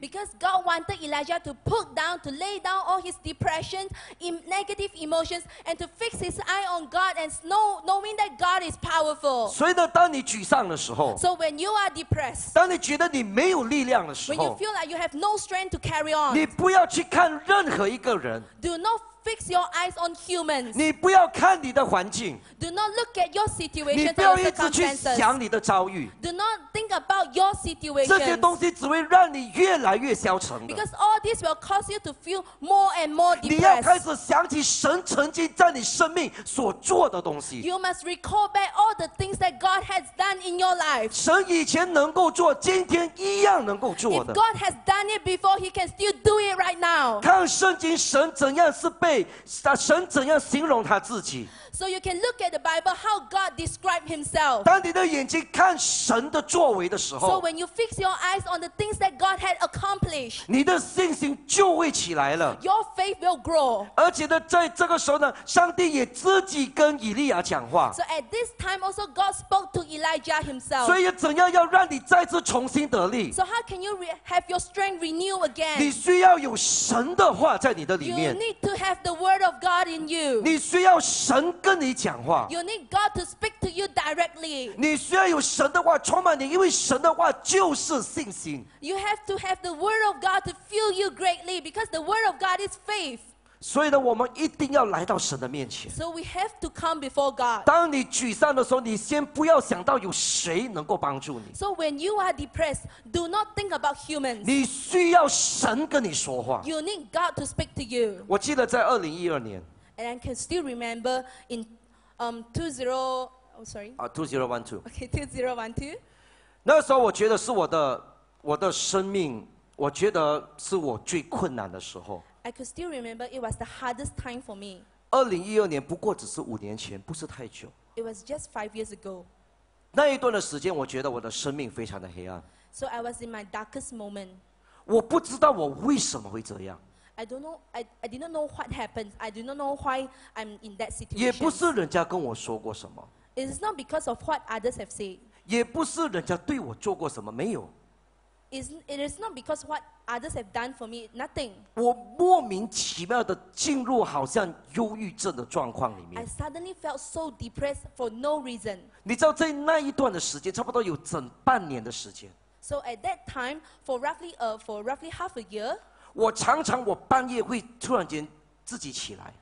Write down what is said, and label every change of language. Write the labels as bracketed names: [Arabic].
[English] Because God wanted Elijah to put down, to lay down all his depression, negative emotions, and to fix his eye on God and knowing that God is powerful. [Chinese] 所以呢，当你沮丧的时候 [English] ，So when you are depressed， [Chinese] 当你觉得你没有力量的时候 [English] ，When you feel like you have no strength to carry on， [Chinese] 你不要去看任何一个人 [English] ，Do not fix your eyes on humans。 [Chinese] 你不要看你的环境 [English] ，Do not look at your situation。 [Chinese] 你不要一直去想你的遭遇 [English] ，Do not think about your situation。 [Chinese] 这些东西只会让你越来越消沉的 [English] ，Because all this will cause you to feel more and more depressed。 [Chinese] 你要开始想起神曾经在你生命所做的东西 [English] ，You must recall back all the things that God has done in your life。 [Chinese] 神以前能够做，今天一样能够做的。 [English] If God has done it before, He can still do it right now。 [Chinese] 看圣经，神怎样是被。神怎样形容他自己 [English] ？So you can look at the Bible how God described Himself. [Chinese] 当你的眼睛看神的作为的时候 [English] ，So when you fix your eyes on the things that God had accomplished， [Chinese] 你的信心就会起来了。 [English] Your faith will grow. [Chinese] 而且呢，在这个时候呢，上帝也自己跟以利亚讲话。 [English] So at this time also God spoke to Elijah Himself. [Chinese] 所以怎样要让你再次重新得力 [English] ？So how can you have your strength renew again？ [Chinese] 你需要有神的话在你的里面。 [English] You need to have the word of God in you. [Chinese] 你需要神跟你讲话。 [English] You need God to speak to you directly. [Chinese] 你需要有神的话充满你，因为神的话就是信心。 [English] You have to have the word of God to fill you greatly because the word of God is faith. [Chinese] 所以呢，我们一定要来到神的面前。 [English] So we have to come before God. [Chinese] 当你沮丧的时候，你先不要想到有谁能够帮助你。 [English] So when you are depressed, do not think about humans. [Chinese] 你需要神跟你说话。 [English] You need God to speak to you. [Chinese] 我记得在2012年。 [English] And I can still remember in 2012. Okay, 2012. [Chinese] 那时候我觉得是我的生命，我觉得是我最困难的时候。 [English] I could still remember it was the hardest time for me. [Chinese] 2012年不过只是5年前，不是太久。 [English] It was just 5 years ago. [Chinese] 那一段的时间，我觉得我的生命非常的黑暗。 [English] So I was in my darkest moment. [Chinese] 我不知道我为什么会这样。 [English] I don't know. I did not know what happened. I do not know why I'm in that situation. [Chinese] 也不是人家跟我说过什么。 [English] It is not because of what others have said. [Chinese] 也不是人家对我做过什么，没有。 [English] it is not because what others have done for me, nothing. [Chinese] 我莫名其妙的进入好像忧郁症的状况里面。 [English] I suddenly felt so depressed for no reason. [Chinese] 你知道在那一段的时间，差不多有整半年的时间。 [English] So at that time, for roughly half a year. [Chinese] 我常常我半夜会突然间自己起来。